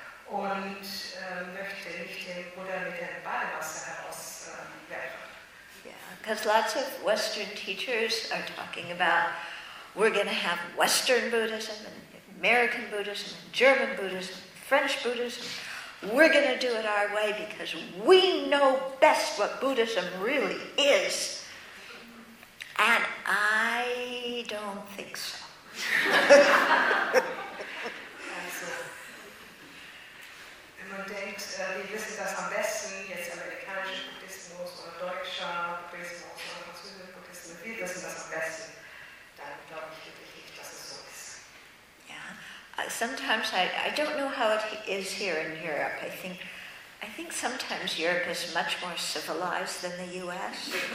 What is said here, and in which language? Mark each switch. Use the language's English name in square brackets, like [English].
[German] Und möchte nicht den Buddha mit dem Badewasser herauswerfen. [English] Yeah, because lots of Western teachers are talking about we're going to have Western Buddhism and American Buddhism and German Buddhism and French Buddhism. We're going to do it our way because we know best what Buddhism really is. And I don't think so. [German] Und denkt, wir wissen das am besten, jetzt amerikanischer Buddhismus oder deutscher Buddhismus oder französischer Buddhismus, wir wissen das am besten, dann glaube ich wirklich nicht, dass es so ist. [English] Sometimes I don't know how it is here in Europe. I think sometimes Europe is much more civilized than the U.S.